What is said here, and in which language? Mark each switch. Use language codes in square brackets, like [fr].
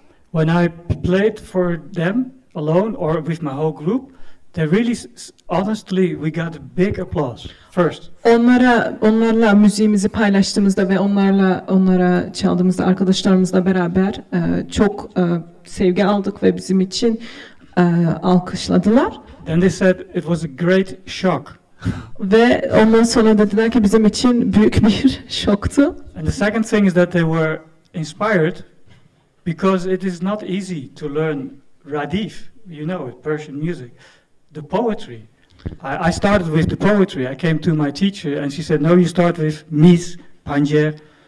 [en] When I played for them alone or with my whole group, they really, honestly, we got a big applause. First. [tr] Onlarla müziğimizi paylaştığımızda ve onlara çaldığımızda arkadaşlarımızla beraber çok sevgi aldık ve bizim için alkışladılar. [en] Then they said it was a great shock. [tr] Ve ondan sonra dediler ki bizim için büyük bir şoktu. [en] And the second thing is that they were inspired because it is not easy to learn radif, you know, Persian music, the poetry. I started with the poetry. I came to my teacher and she said, no, you start with Mis, Panjer.